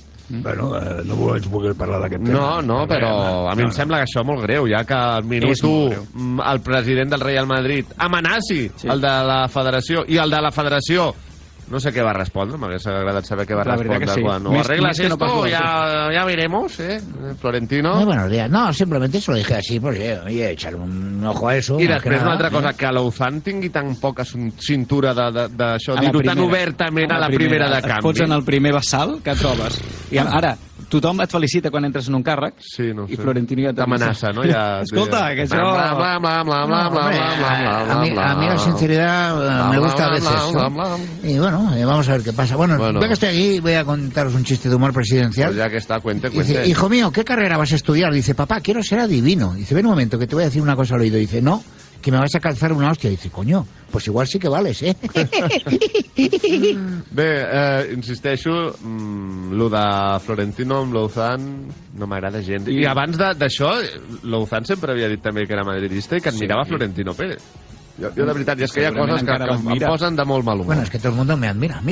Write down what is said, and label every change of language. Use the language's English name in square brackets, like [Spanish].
[Catalan] Bueno, no vaig voler parlar d'aquest tema. No, no, però a mi em sembla que això és molt greu, ja que al minut 1 el president del Real Madrid amenaci el de la Federació i el de la Federació... No sé què va respondre, m'hauria agradat saber què va respondre. Sí. Quan ho arregles [Spanish] esto, no pasó, ya veremos, Florentino. Muy buenos días. No, simplemente se lo dije así, porque voy a echar un ojo a eso. [Catalan] I després una altra cosa, que Louzán tingui tan poca cintura d'això, dir-ho tan obertament a la primera de canvi. Et fots en el primer vessal que trobes. I ara... Tothom et felicita quan entres en un càrrec i Florentino ja t'amenaça, no? Ja, escolta, que això... [Spanish] A mi la sinceritat me gusta a veces. I bueno, vamos a ver qué pasa. Bueno, ve que estoy aquí, voy a contaros un chiste de humor presidencial. Ya que está, cuente. Hijo mío, ¿qué carrera vas a estudiar? Dice, papá, quiero ser adivino. Dice, ven un momento, que te voy a decir una cosa al oído. Dice, no, que me vas a calzar una hostia. Dice, coño, pues igual sí que vales, ¿eh? [Catalan] Bé, insisteixo, lo de Florentino amb Louzán no m'agrada gens. I abans d'això, Louzán sempre havia dit també que era madridista i que admirava Florentino Pérez. Jo, de veritat, i és que hi ha coses que em posen de molt mal humor. Bueno, és que tot el món m'admira.